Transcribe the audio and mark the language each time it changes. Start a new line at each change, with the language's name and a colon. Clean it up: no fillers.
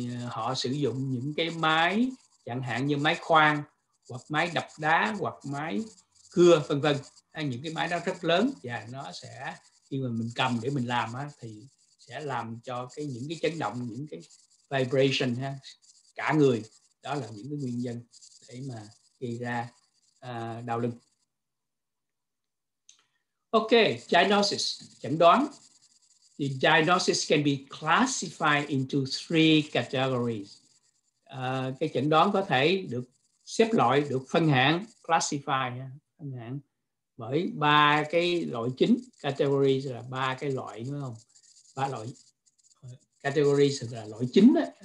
Vietnamese: họ sử dụng những cái máy, chẳng hạn như máy khoan hoặc máy đập đá hoặc máy cưa vân vân, những cái máy đó rất lớn và nó sẽ, khi mà mình cầm để mình làm thì sẽ làm cho cái những cái chấn động, những cái vibration cả người, đó là những cái nguyên nhân để mà gây ra đau lưng. Ok, diagnosis, chẩn đoán.
English: The diagnosis can be classified into three categories.
Vietnamese: Cái chẩn đoán có thể được xếp loại, được phân hạng, classify, phân hạng bởi ba cái loại chính. Categories là ba cái loại, đúng không? Ba loại. Categories là loại chính đó.